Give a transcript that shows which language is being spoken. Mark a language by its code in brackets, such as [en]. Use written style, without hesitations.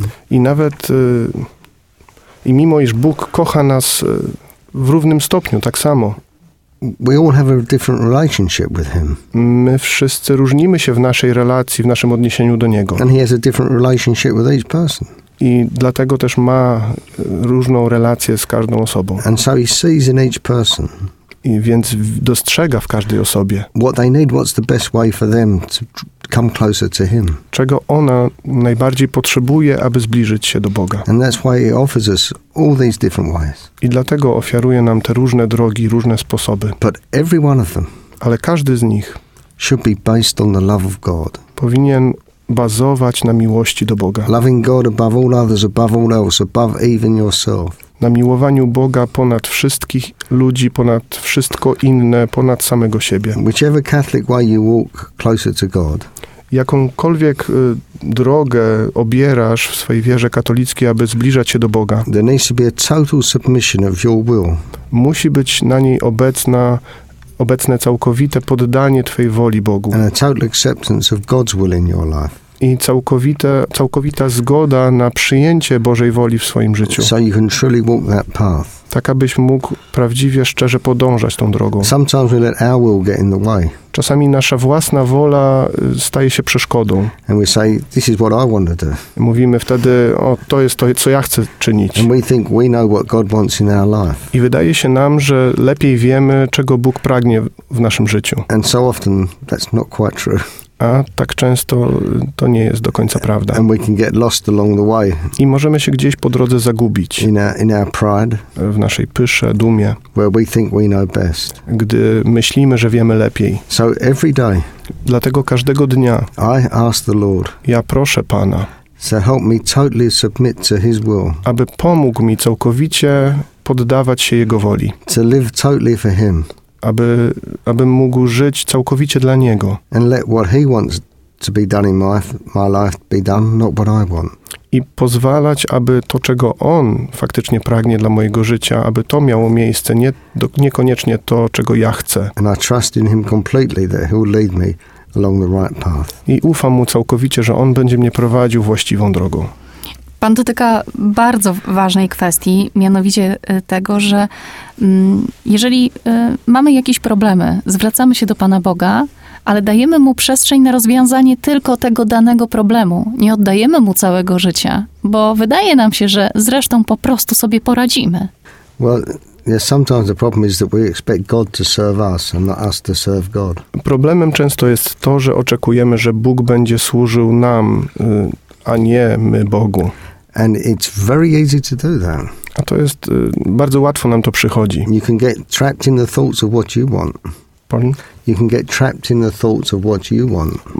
[pl] I nawet i mimo iż Bóg kocha nas w równym stopniu, tak samo. [en] We all have a different relationship with him. [pl] My wszyscy różnimy się w naszej relacji, w naszym odniesieniu do niego. [en] And he has a different relationship with each person. [pl] I dlatego też ma różną relację z każdą osobą. [en] And so he sees in each person. [pl] I więc dostrzega w każdej osobie. [en] What they need, what's the best way for them to come closer to him. [pl] Czego ona najbardziej potrzebuje, aby zbliżyć się do Boga. [en] And that's why he offers us all these different ways. [pl] I dlatego ofiaruje nam te różne drogi, różne sposoby. [en] But every one of them. [pl] Ale każdy z nich [en] should be based on the love of God. [pl] Powinien bazować na miłości do Boga. [en] Loving God above all others, above all else, above even yourself. [pl] Na miłowaniu Boga ponad wszystkich ludzi, ponad wszystko inne, ponad samego siebie. [en] Whichever Catholic way you walk closer to God. [pl] Jakąkolwiek drogę obierasz w swojej wierze katolickiej, aby zbliżać się do Boga, [en] there needs to be a total submission of your will. [pl] Musi być na niej obecne całkowite poddanie Twojej woli Bogu. [en] And a total acceptance of God's will in your life. [pl] I całkowita zgoda na przyjęcie Bożej woli w swoim życiu. [en] So you can truly walk that path. [pl] Tak, abyś mógł prawdziwie, szczerze podążać tą drogą. [en] Sometimes we let our will get in the way. [pl] Czasami nasza własna wola staje się przeszkodą. [en] And we say, this is what I want to do. [pl] Mówimy wtedy, o, to jest to, co ja chcę czynić. [en] And we think we know what God wants in our life. [pl] I wydaje się nam, że lepiej wiemy, czego Bóg pragnie w naszym życiu. [en] And so often that's not quite true. [pl] A tak często to nie jest do końca prawda. [en] And we can get lost along the way. [pl] I możemy się gdzieś po drodze zagubić. [en] In our pride, [pl] w naszej pysze, dumie. [en] Where we think we know best. [pl] Gdy myślimy, że wiemy lepiej. [en] So every day, [pl] dlatego każdego dnia [en] I ask the Lord, [pl] ja proszę Pana, [en] so help me totally submit to His will. [pl] Aby pomógł mi całkowicie poddawać się Jego woli. [en] To live totally for Him. [pl] Abym mógł żyć całkowicie dla Niego. [en] And let what He wants to be done in my life be done, not what I want. [pl] I pozwalać, aby to, czego On faktycznie pragnie dla mojego życia, aby to miało miejsce, niekoniecznie to, czego ja chcę. [en] And I trust in Him completely that He'll lead me along the right path. [pl] I ufam Mu całkowicie, że On będzie mnie prowadził właściwą drogą. Pan dotyka bardzo ważnej kwestii, mianowicie tego, że jeżeli mamy jakieś problemy, zwracamy się do Pana Boga, ale dajemy Mu przestrzeń na rozwiązanie tylko tego danego problemu, nie oddajemy Mu całego życia, bo wydaje nam się, że zresztą po prostu sobie poradzimy. [en] Well, yes, sometimes the problem is that we expect God to serve us and not us to serve God. [pl] Problemem często jest to, że oczekujemy, że Bóg będzie służył nam, a nie my Bogu. [en] And it's very easy to do that. [pl] A to jest bardzo łatwo nam to przychodzi. [en] You can get trapped in the thoughts of what you want. Pardon? You can get trapped in the thoughts of what you want.